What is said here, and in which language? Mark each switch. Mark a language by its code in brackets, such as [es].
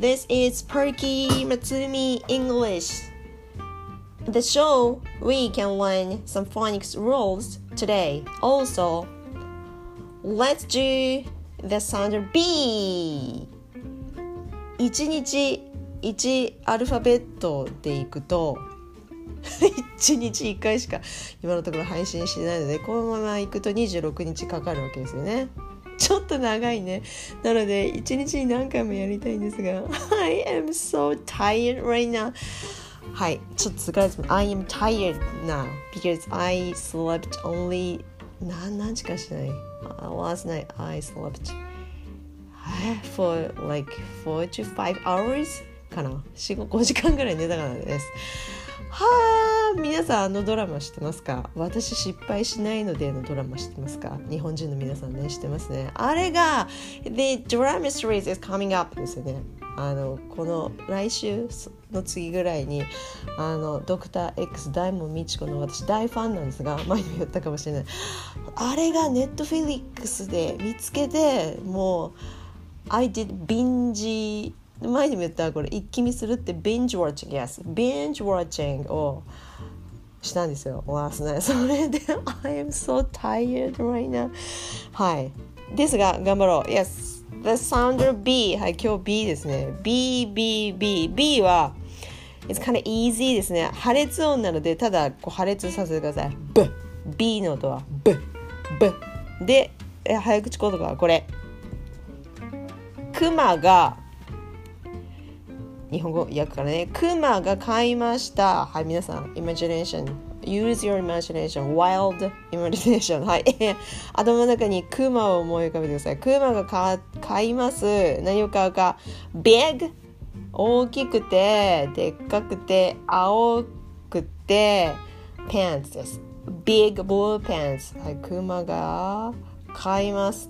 [en] This is Perky Matsumi English. The show, we can learn some phonics rules today. Also, let's do the sound of B. [ja] 1日1アルファベットでいくと1日1回しか今のところ配信してないので、このまま行くと26日かかるわけですよね。ちょっと長いね。なので1日に何回もやりたいんですが、 [en] I am so tired right now。 [ja] はい、ちょっと疲れてます。 [en] I am tired now because I slept only [ja] 何時間しない [en] last night I slept for like 4 to 5 hours かな、 [ja] 4-5時間ぐらい寝たからです。はぁ、皆さんあのドラマ知ってますか？私失敗しないのでのドラマ知ってますか？日本人の皆さんね、知ってますね。あれが [en] The Drama Series is coming up [ja] ですよね。あのこの来週の次ぐらいに、あのドクター X 大門未知子の私大ファンなんですが、前にも言ったかもしれない、あれが Netflix で見つけて、もう [en] I did binge、 [ja] 前にも言ったこれ一気見するって binge watching、 [en] yes binge watching [ja] をしたんですよ last night。それで [en] I am so tired right now。 [ja] はい、ですが頑張ろう。 [en] yes the sound of B。 [ja] はい、今日 B ですね。 BBB B は [en] it's kind of easy [ja] ですね。破裂音なので、ただこう破裂させてください。B B の音は B B で、早口言葉はこれ、クマが、日本語訳からね、クマが買いました。はい、皆さん [en] imagination、 use your imagination、 wild imagination。 [ja] はい頭の中にクマを思い浮かべてください。クマが買います。何を買うか、 big、 大きくてでっかくて青くて pants です。 [en] big blue pants。 [ja] はい、クマが買います。